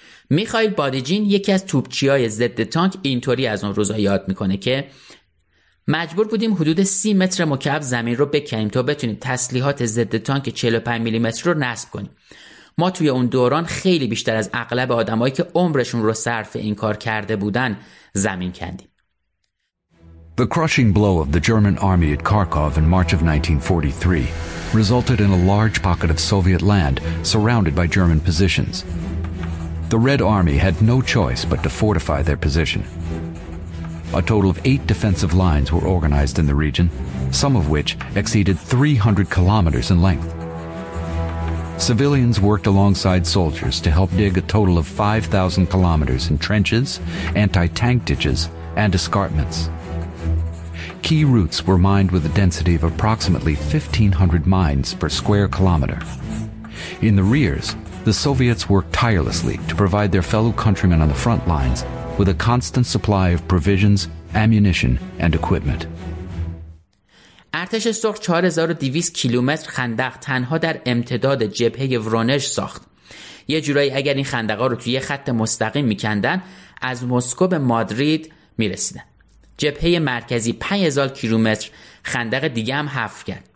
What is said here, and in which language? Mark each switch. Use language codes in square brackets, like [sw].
[fa] میخائیل بادیجین، یکی از توپچی‌های ضد تانک، اینطوری از اون روزا یاد می‌کنه که مجبور بودیم حدود 30 متر مکعب زمین رو بکنیم تا بتونیم تسلیحات ضد تانک 45 میلی‌متر رو نصب کنیم. ما توی اون دوران خیلی بیشتر از اغلب آدمایی که عمرشون رو صرف این کار کرده بودن زمین کندیم. [en] The crushing blow of the German army at Kharkov in March of 1943 resulted in a large pocket of Soviet land surrounded by German positions. The Red Army had no choice but to fortify their position. A total of 8 defensive lines were organized in the region, some of which exceeded 300 kilometers in length. Civilians worked alongside soldiers to help dig a total of 5,000 kilometers in trenches, anti-tank ditches, and escarpments. Key routes were mined with a density of approximately 1,500 mines per square kilometer. In the rears, the Soviets worked tirelessly to provide their fellow countrymen on the front lines with a constant supply of provisions, ammunition, and equipment. [fa] ارتش سرخ 4200 کیلومتر خندق تنها در امتداد جبهه ورونش ساخت. یه جورایی اگر این خندقا رو توی یه خط مستقیم می‌کندن از مسکو به مادرید می‌رسیدن. جبهه مرکزی 5000 کیلومتر خندق دیگه هم حفر کرد.